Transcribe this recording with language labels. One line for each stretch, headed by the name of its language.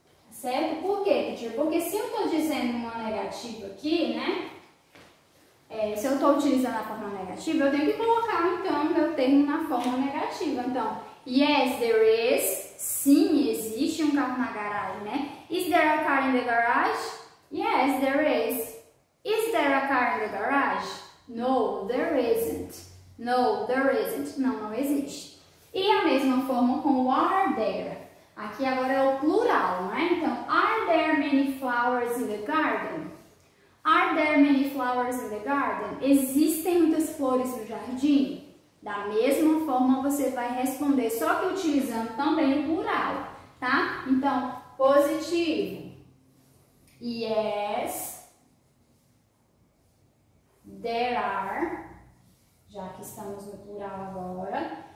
Portuguese: Certo? Por quê, teacher? Porque se eu estou dizendo uma negativa aqui, né? Se eu estou utilizando a forma negativa, eu tenho que colocar, então, meu termo na forma negativa. Então,
English: yes, there is.
Portuguese: Sim, existe um carro na garagem, né?
English: Is there a car in the garage? Yes, there is. Is there a car in the garage? No, there isn't. No, there isn't.
Portuguese: Não, não existe. E a mesma forma com o are there. Aqui agora é o plural, né?
English: Então, are there many flowers in the garden? Are there many flowers in the garden?
Portuguese: Existem muitas flores no jardim? Da mesma forma, você vai responder, só que utilizando também o plural, tá? Então, positivo.
English: Yes. There are.
Portuguese: Já que estamos no plural agora.